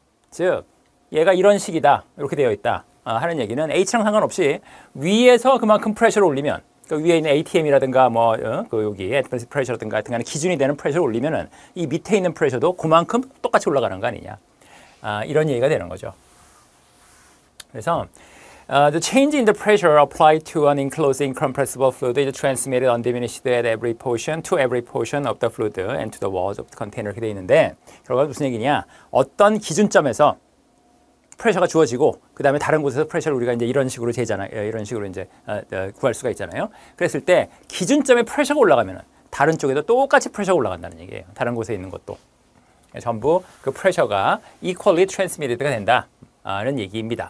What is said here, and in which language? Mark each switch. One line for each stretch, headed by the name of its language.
Korean: 즉 얘가 이런 식이다 이렇게 되어 있다 하는 얘기는 H랑 상관없이 위에서 그만큼 프레셔를 올리면 그 위에 있는 ATM이라든가 뭐 그 여기 Atmospheric Pressure라든가 같은 거는 기준이 되는 프레셔를 올리면은 이 밑에 있는 프레셔도 그만큼 똑같이 올라가는 거 아니냐 이런 얘기가 되는 거죠.
English: 그래서 the change in the pressure applied to an enclosed incompressible fluid is transmitted undiminished at every portion to every portion of the fluid and to the walls of the container
Korean: 이렇게 되어 있는데 결과가 무슨 얘기냐? 어떤 기준점에서 프레셔가 주어지고 그 다음에 다른 곳에서 프레셔를 우리가 이제 이런 식으로 구할 수가 있잖아요. 그랬을 때 기준점에 프레셔가 올라가면은 다른 쪽에도 똑같이 프레셔가 올라간다는 얘기예요. 다른 곳에 있는 것도 전부 그 프레셔가 equally transmitted가 된다는 얘기입니다.